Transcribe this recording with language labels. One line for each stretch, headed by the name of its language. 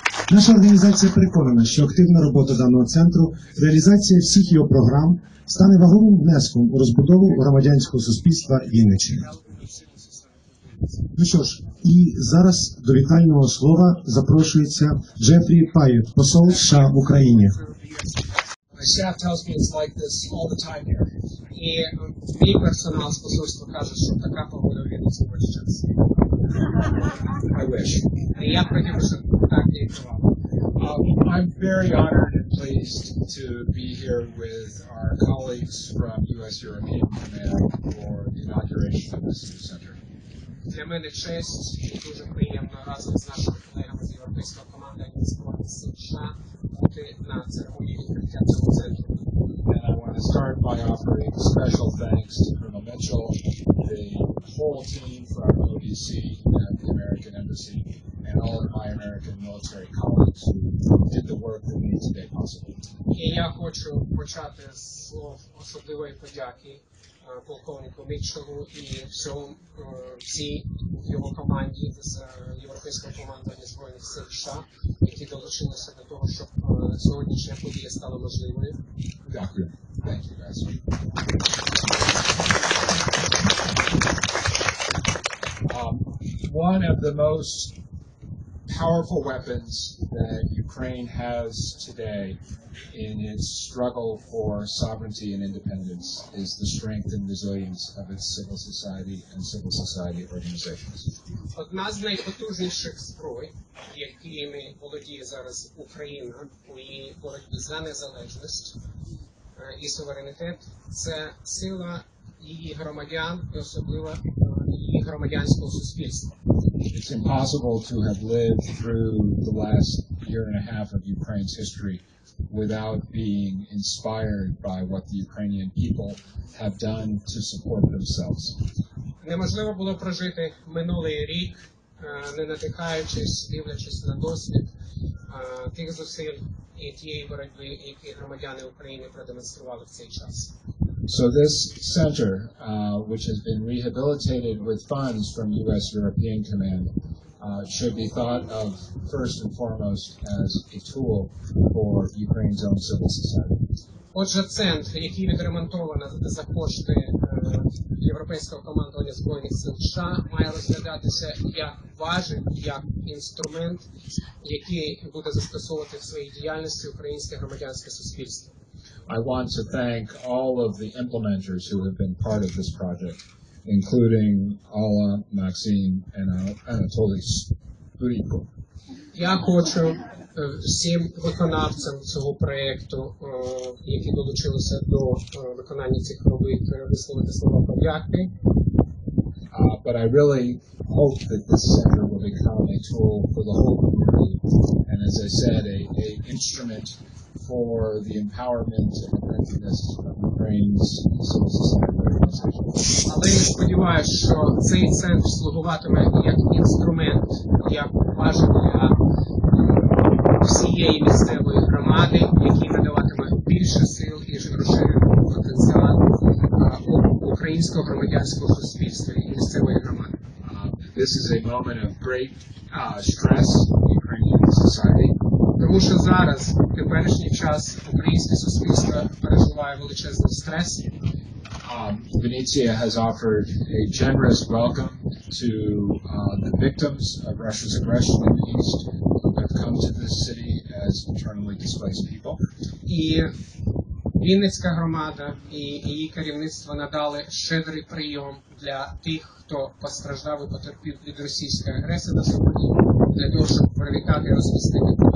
Ukrainian: Наша організація переконана, що активна робота даного центру, реалізація всіх його програм стане вагомим внеском у розбудову громадянського суспільства Вінниччини. Ну що ж, і зараз до вітального слова запрошується Джефрі Пайет, посол США в Україні.
English: My staff tells me it's like this all the time here.
Ukrainian: І мій персонал з посольства каже, що така погода в Вінниці весь час.
English: I wish.
Ukrainian: Я прийняв, що так і була.
English: I'm very honored and pleased to be here with our colleagues from U.S. European Command for the inauguration of this new center.
Ukrainian: Для мене честь і дуже приємно разом з нашими колегами з Європейського командування з США бути на церемонії відкриття цього центру.
English: To start by offering special thanks to Colonel Mitchell, the whole team from ODC and the American Embassy, and all of my American military colleagues who did the work that made today possible.
Ukrainian: І я хочу почати з слов особливої подяки полковнику Мітчеллу і всій його команді з Європейського командування Збройних сил США, які долучилися до того, щоб сьогоднішня подія стала можливою. Дякую.
English: Thank you, guys. one of the most powerful weapons that Ukraine has today in its struggle for sovereignty and independence is the strength and resilience of its civil society and civil society organizations.
Ukrainian: Одна з найпотужніших зброй, якими володіє зараз Україна у її боротьбі за незалежність і суверенітет, це сила її громадян і особливо її громадянського суспільства.
English: It's impossible to have lived through the last year and a half of Ukraine's history without being inspired by what the Ukrainian people have done to support themselves.
Ukrainian: Неможливо було прожити минулий рік, не натикаючись, дивлячись на досвід тих зусиль і тієї боротьби, які громадяни України продемонстрували в цей час.
English: So this center, which has been rehabilitated with funds from U.S. European Command, should be thought of first and foremost as a tool for Ukraine's own civil society.
Ukrainian: Отже, центр, який відремонтовано за кошти Європейського командування Збройних сил США, має розглядатися як важик, як інструмент, який буде застосовувати в своїй діяльності українське громадянське суспільство.
English: I want to thank all of the implementers who have been part of this project, including Алла, Максим, and Анатолій Стуріко.
Ukrainian: Я хочу всім виконавцям цього проєкту, які долучилися до виконання цих робіт, висловити слова подяки.
English: But I really hope that this center will become a tool for the whole community, and as I said, a instrument for the empowerment and effectiveness of Ukraine's civil society organizations.
Ukrainian: Але я сподіваюся, що цей центр слугуватиме як інструмент, як важливо всієї місцевої громади, який надаватиме більше сил і розширення потенціалу українського громадянського суспільства і місцевої громади.
English: This is a moment of great stress in Ukrainian society.
Ukrainian: Тому що зараз, в теперішній час, українське суспільство переживає величезний стрес.
English: Venezia has offered a generous welcome to the victims of Russia's aggression in the East who have come to this city as internally displaced people.
Ukrainian: І Вінницька громада і її керівництво надали щедрий прийом для тих, хто постраждав і потерпів від російської агресії на сході, для того, щоб привітати і розмістити